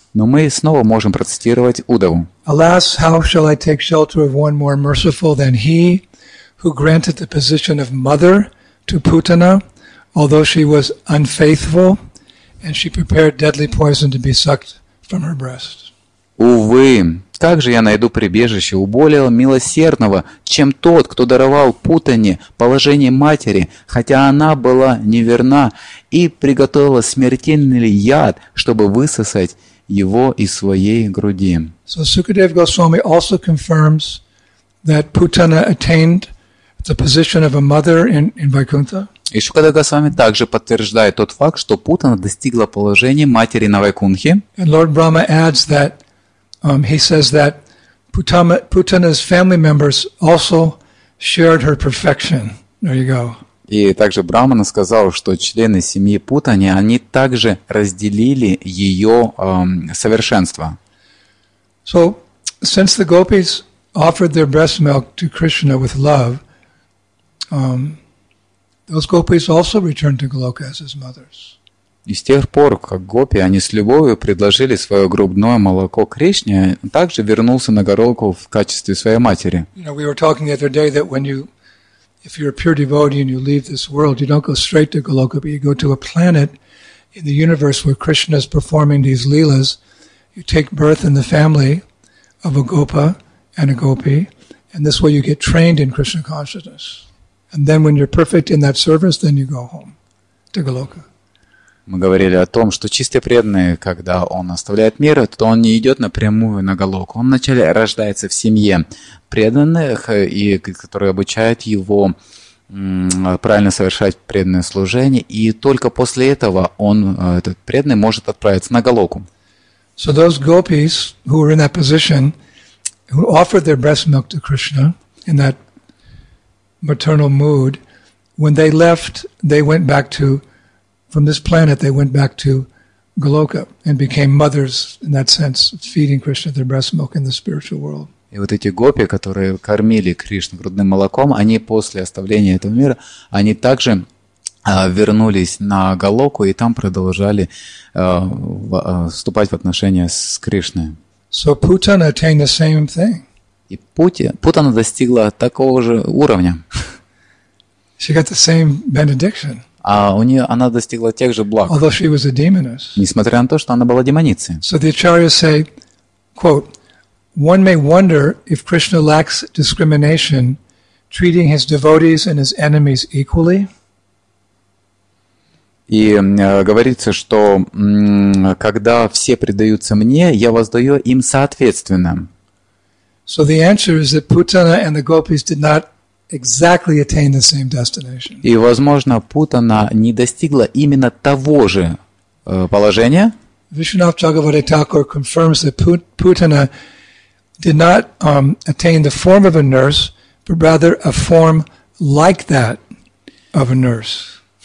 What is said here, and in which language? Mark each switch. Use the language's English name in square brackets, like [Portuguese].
[Russian] Но мы снова можем процитировать Удаву. [English] Alas, how shall I take shelter of one more merciful than he, who granted the position of mother to Putana, although she was unfaithful? And she prepared deadly poison to be sucked from her breast. [Russian] Увы, как же я найду прибежище у более милосердного, чем тот, кто даровал Путане положение матери, хотя она была неверна и приготовила смертельный яд, чтобы высосать его из своей груди. [English] So Sukadeva Goswami also confirms that Putana attained the position of a mother in Vaikuntha. [Russian] И Шукада Госвами также подтверждает тот факт, что Путана достигла положения матери на Вайкунхе. [English] And Lord Brahma adds that he says that Putana's family members also shared her perfection. There you go. [Russian] И также Брахмана сказал, что члены семьи Путани, они также разделили ее совершенство. [English] So, since the gopis offered their breast milk to Krishna with love, those gopis also returned to Goloka as his mothers. [Russian] И с тех пор, как гопи, они с любовью предложили свое грудное молоко Кришне, также вернулся на Гороку в качестве своей матери. [English] You know, we were talking the other day that when you, if you're a pure devotee and you leave this world, you don't go straight to Goloka, but you go to a planet in the universe where Krishna is performing these leelas. You take birth in the family of a gopa and a gopi, and this way you get trained in Krishna consciousness. And then when you're perfect in that service, then you go home to Goloka. [Russian] Мы говорили о том, что чистый преданный, когда он оставляет мир, то он не идет напрямую на Голоку. Он вначале рождается в семье преданных, и которые обучают его правильно совершать преданное служение, и только после этого он, этот преданный, может отправиться на Голоку. [English] So those gopis who were in that position, who offered their breast milk to Krishna in that maternal mood, when they left, they went back to, from this planet, they went back to Goloka and became mothers in that sense, feeding Krishna their breast milk in the spiritual world. [Russian] И вот эти гопи, которые кормили Кришну грудным молоком, они после оставления этого мира, они также вернулись на Голоку и там продолжали вступать в отношения с Кришной. [English] So Putana attained the same thing. [Russian] И Путана достигла такого же уровня. [English] She got the same benediction. [Russian] А у нее она достигла тех же благ. [English] Although she was a demoness. [Russian] Несмотря на то, что она была демоницей. [English] So the acharyas say, quote, one may wonder if Krishna lacks discrimination, treating his devotees and his enemies equally. [Russian] И говорится, что когда все предаются мне, я воздаю им соответственно. [English] So the answer is that Putana and the gopis did not exactly attain the same destination. [Russian] И возможно, Путана не достигла именно того же положения. [English] Vishwanath Chakravarti Thakur confirms that Putana did not attain the form of a nurse, but rather a form like that of a nurse.